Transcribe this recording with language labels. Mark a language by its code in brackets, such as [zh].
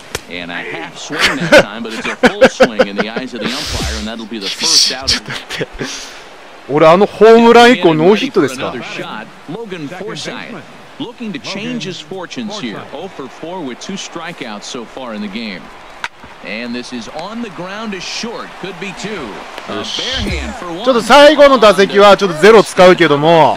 [en] And a half swing that time, but it's a full swing in the eyes of the umpire, and that'll be the first out of the game. [ja] 俺あのホームラン以降ノーヒットですか? [en] Logan Forsythe looking to change his fortunes here. 0-4 with two strikeouts so far in the game. And this is on the ground is short. Could be two. A bare hand for one. [ja] ちょっと最後の打席はちょっとゼロ使うけども。